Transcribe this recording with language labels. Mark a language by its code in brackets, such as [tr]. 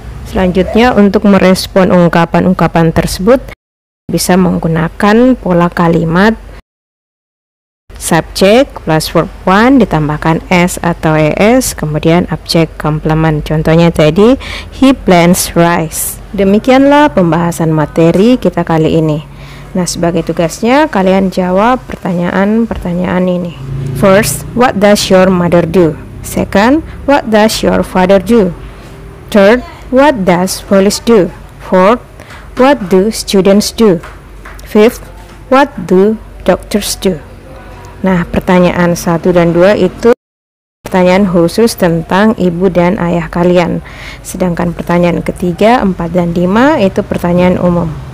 [id] Selanjutnya untuk merespon ungkapan-ungkapan tersebut, bisa menggunakan pola kalimat subject plus verb 1 ditambahkan S atau ES, kemudian object complement. Contohnya tadi, [en] he plants rice. [id] Demikianlah pembahasan materi kita kali ini. Nah, sebagai tugasnya, kalian jawab pertanyaan-pertanyaan ini. [en] First, what does your mother do? Second, what does your father do? Third, what does police do? Fourth, what do students do? Fifth, what do doctors do? [id] Nah, pertanyaan 1 dan 2 itu pertanyaan khusus tentang ibu dan ayah kalian. Sedangkan pertanyaan ketiga, 4 dan 5 itu pertanyaan umum.